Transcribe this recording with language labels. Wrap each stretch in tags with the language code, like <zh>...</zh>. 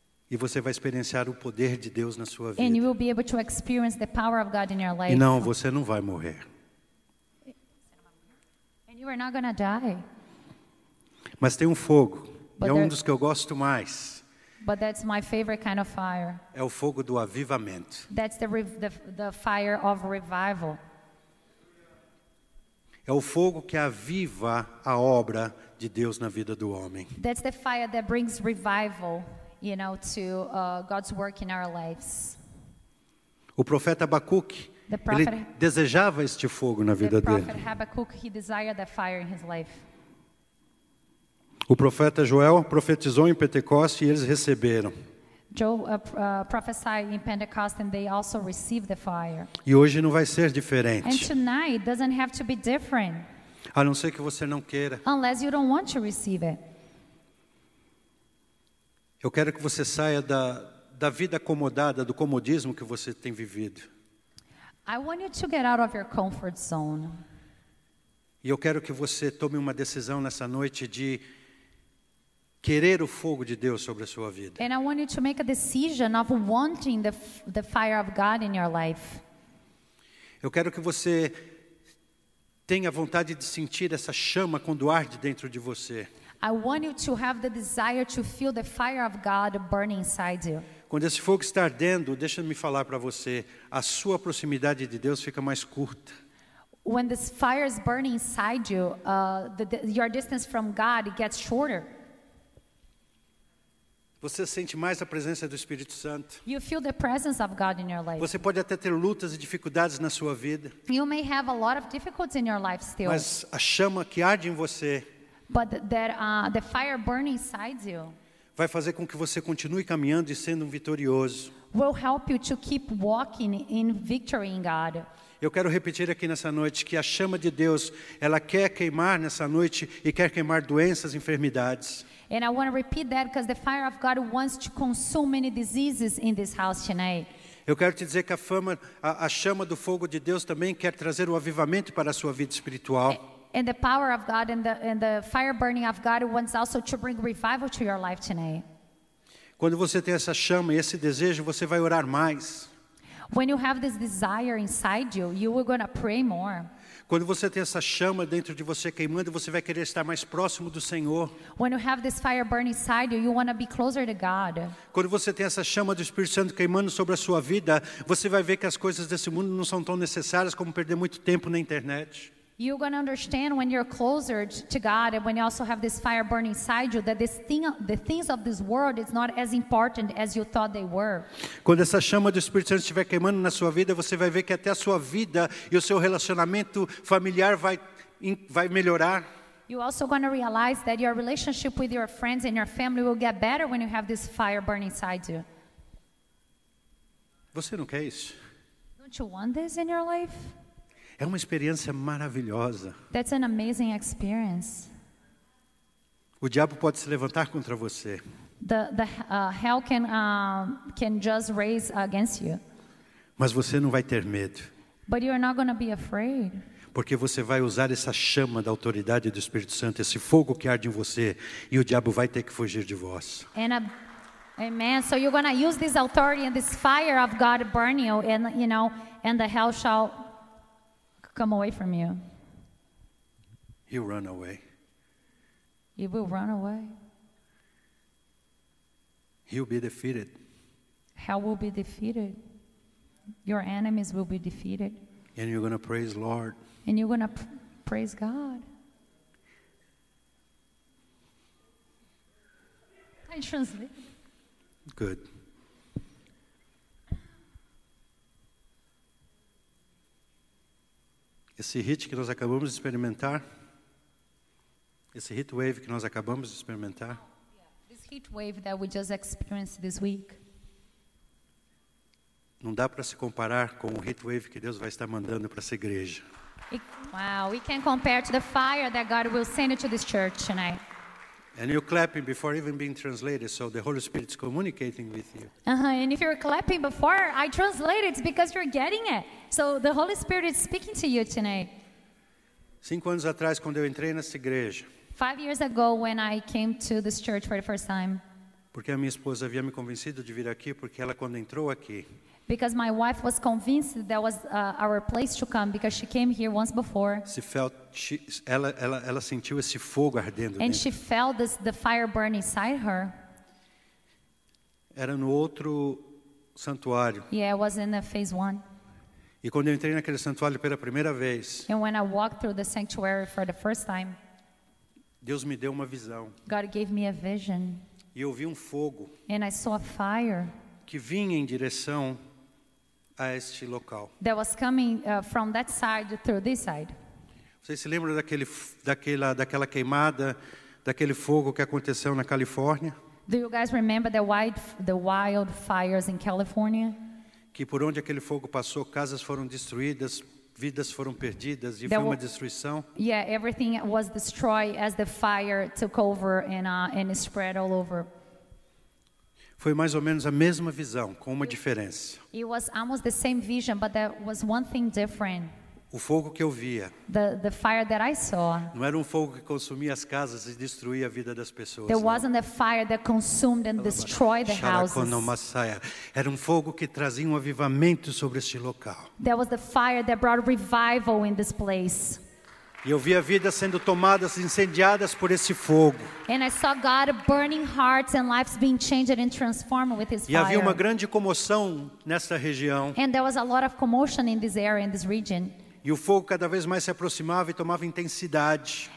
<pt>E você vai experienciar o poder de Deus na sua vida.</pt> <en>And you will be able to experience the power of God in your life.</en> <pt>E não, você não vai morrer.</pt> <en>And you are not going to die.</en> <pt>Mas tem um fogo. É um dos que eu gosto mais.</pt> <en>But that's my favorite kind of fire.</en> <pt>É o fogo do avivamento.</pt> <en>That's the fire of revival.</en> <pt>É o fogo que aviva a obra de Deus na vida do homem.</pt> <en>That's the fire that brings revival, you know, to God's work in our lives.</en> <pt>O profeta Habacuque, ele desejava este fogo na vida dele.</pt> <en>The prophet Habakkuk, he desired that fire in his life.</en> <pt>O profeta Joel profetizou em Pentecostes e eles receberam.</pt> <en>Joel prophesied in Pentecost and they also received the fire.</en> <pt>E hoje não vai ser diferente.</pt> <en>And tonight doesn't have to be different.</en> <pt>A não ser que você não queira.</pt> <en>Unless you don't want to receive it.</en> <pt>Eu quero que você saia da vida acomodada, do comodismo que você tem vivido.</pt> <en>I want you to get out of your comfort zone.</en> <pt>E eu quero que você tome uma decisão nessa noite de querer o fogo de Deus sobre a sua vida.</pt> <en>And I want you to make a decision of wanting the fire of God in your life.</en> <pt>Eu quero que você tenha vontade de sentir essa chama quando arde dentro de você.</pt> <en>I want you to have the desire to feel the fire of God burning inside you.</en> <pt>Quando esse fogo está ardendo, deixa-me falar para você, a sua proximidade de Deus fica mais curta.</pt> <en>When this fire is burning inside you, your distance from God gets shorter.</en> <pt>Você sente mais a presença do Espírito Santo.</pt> <en>You feel the presence of God in your life.</en> <pt>Você pode até ter lutas e dificuldades na sua vida.</pt> <en>You may have a lot of difficulties in your life still.</en> <pt>Mas a chama que arde em você.</pt> <en>But the fire burning inside you.</en> <pt>Vai fazer com que você continue caminhando e sendo um vitorioso.</pt> <en>will help you to keep walking in victory in God.</en> <pt>Eu quero repetir aqui nessa noite que a chama de Deus, ela quer queimar nessa noite e quer queimar doenças, enfermidades.</pt> <en>And I want to repeat that because the fire of God wants to consume many diseases in this house tonight.</en> <pt>Eu quero te dizer que a chama do fogo de Deus também quer trazer o avivamento para a sua vida espiritual.</pt> <en>And the power of God and the fire burning of God wants also to bring revival to your life tonight.</en> <pt>Quando você tem essa chama e esse desejo, você vai orar mais.</pt> <en>When you have this desire inside you, you are going to pray more.</en> <pt>Quando você tem essa chama dentro de você queimando, você vai querer estar mais próximo do Senhor.</pt> <en>When you have this fire burning inside you, you want to be closer to God.</en> <pt>Quando você tem essa chama do Espírito Santo queimando sobre a sua vida, você vai ver que as coisas desse mundo não são tão necessárias como perder muito tempo na internet.</pt> <en>You're going to understand when you're closer to God and when you also have this fire burning inside you that this thing, the things of this world is not as important as you thought they were.</en> <pt>Quando essa chama do Espírito Santo estiver queimando na sua vida, você vai ver que até a sua vida e o seu relacionamento familiar vai melhorar.</pt> <en>You're also going to realize that your relationship with your friends and your family will get better when you have this fire burning inside you.</en> <pt>Você não quer isso?</pt> <en>Don't you want this in your life?</en> <pt>É uma experiência maravilhosa.</pt> <en>That's an amazing experience.</en> <pt>O diabo pode se levantar contra você.</pt> <en>The hell can just raise against you.</en> <pt>Mas você não vai ter medo.</pt> <en>But you are not going to be afraid.</en> <pt>Porque você vai usar essa chama da autoridade do Espírito Santo, esse fogo que arde em você, e o diabo vai ter que fugir de vós.</pt> <en>Amen. So you're going to use this authority and this fire of God burning you, and you know, and the hell shall come away from you. He'll run away. He will run away. He'll be defeated. Hell will be defeated. Your enemies will be defeated. And you're going to praise Lord. And you're going to praise God. I translate. Good.</en> <pt>Esse</pt> <en>hit</en> <pt>que nós acabamos de experimentar, esse</pt> <en>heat wave</en> <pt>que nós acabamos de experimentar,</pt> <en>this heat wave that we just experienced this week,</en> <pt>não dá para se comparar com o</pt> <en>heat wave</en> <pt>que Deus vai estar mandando para essa igreja.</pt> <en>Wow, we can compare to the fire that God will send to this church tonight. And you're clapping before even being translated, so the Holy Spirit is communicating with you. And if you're clapping before I translate it, it's because you're getting it. So the Holy Spirit is speaking to you tonight.</en> <pt>5 anos atrás, quando eu entrei nessa igreja.</pt> <en>5 years ago, when I came to this church for the first time.</en> <pt>Porque a minha esposa havia me convencido de vir aqui, porque ela quando entrou aqui.</pt> <en>Because my wife was convinced that was our place to come because she came here once before.</en> <pt>Ela sentiu esse fogo ardendo.</pt> <en>And she felt the fire burn inside her.</en> <pt>Era no outro santuário.</pt> <en>Yeah, it was in the phase one.</en> <pt>E quando eu entrei naquele santuário pela primeira vez.</pt> <en>And when I walked through the sanctuary for the first time.</en> <pt>Deus me deu uma visão.</pt> <en>God gave me a vision.</en> <pt>E eu vi um fogo.</pt> <en>And I saw a fire.</en> <pt>Que vinha em direção a este local.</pt> <en>That was coming from that side through this side.</en> <pt>Vocês se lembram daquela queimada, daquele fogo que aconteceu na Califórnia?</pt> <en>Do you guys remember the wildfires in California?</en> <pt>Que por onde aquele fogo passou, casas foram destruídas, vidas foram perdidas e foi uma destruição.</pt> <en>Yeah, everything was destroyed as the fire took over and spread all over.</en> <pt>Foi mais ou menos a mesma visão, com uma diferença.</pt> <en>It was almost the same vision, but there was one thing different.</en> <pt>O fogo que eu via.</pt> <en>The fire that I saw.</en> <pt>Não era um fogo que consumia as casas e destruía a vida das pessoas.</pt> <en>There wasn't a fire that consumed and destroyed the houses.</en> <pt>Era um fogo que trazia um avivamento sobre este local.</pt> <en>There was the fire that brought revival in this place.</en> <pt>E eu via vidas sendo tomadas, incendiadas por esse fogo.</pt> <en>And I saw God burning hearts and lives being changed and transformed with his fire.</en> <pt>E havia uma grande comoção nessa região.</pt> <en>And there was a lot of commotion in this area, in this region.</en> <pt>E o fogo cada vez mais se aproximava e tomava intensidade.</pt>